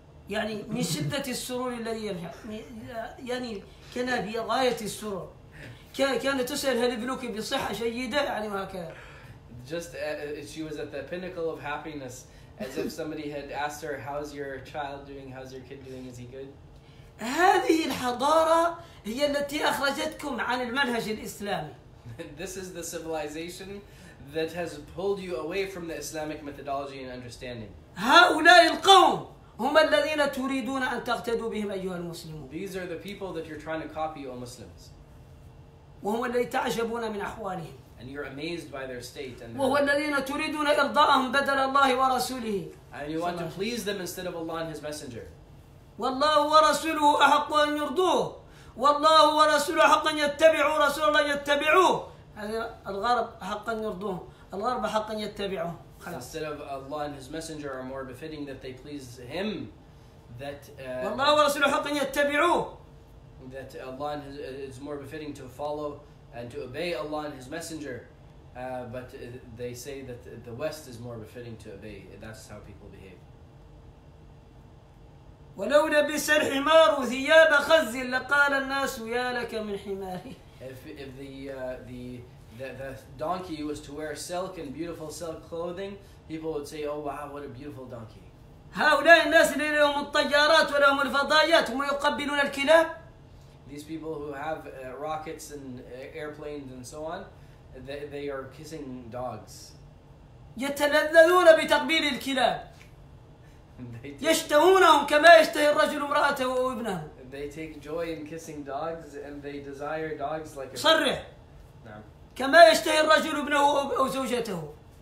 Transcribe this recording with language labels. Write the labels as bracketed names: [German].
[Arabic] يعني من شدة السرور الذي يرجع. يعني كان في غاية السرور. كانت تسأل هل ابنك بصحة جيدة يعني وهكذا. [English] Just she was at the pinnacle of happiness. As if somebody had asked her, "How's your child doing? How's your kid doing? Is he good?" [Arabic] هذه الحضارة هي التي أخرجتكم عن المنهج الإسلامي. [English] This is the civilization that has pulled you away from the Islamic methodology and understanding. [Arabic] هؤلاء القوم هم الذين تريدون أن تقتدوا بهم أيها المسلمون. [English] These are the people that you're trying to copy, O Muslims. [Arabic] وهم الذين تعجبون من أحوالهم. [English] And you're amazed by their state. And [Arabic] وهو الذين تريدون إرضاءهم بدل الله ورسوله. [English] And you want to please them instead of Allah and His Messenger. [Arabic] والله ورسوله أحق أن يرضوه. والله ورسوله أحق أن يتبعوا رسول الله يتبعوه. يعني الغرب أحق أن يرضوه. الغرب أحق أن يتبعوه. خلاص. [English] Instead of Allah and His Messenger are more befitting that they please Him. That [Arabic] والله ورسوله أحق أن يتبعوه. [English] That Allah and His is more befitting to follow. And to obey Allah and His Messenger, but they say that the West is more befitting to obey. That's how people behave. [Arabic] ولو لبس الحمار ثياب خز لقال الناس يا لك من حمار. [English] If the donkey was to wear silk and beautiful silk clothing, people would say, "Oh wow, what a beautiful donkey." [Arabic] هؤلاء الناس الذين لهم الطيارات ولهم الفضائيات هم يقبلون الكلاب. [English] These people who have rockets and airplanes and so on, they are kissing dogs. [Arabic] يتلذذون بتقبيل الكلاب. يشتهونهم كما يشتهي الرجل امرأته وابنه. [English] They take joy in kissing dogs and they desire dogs like. [Arabic] صرح. نعم. كما يشتهي الرجل ابنه أو زوجته.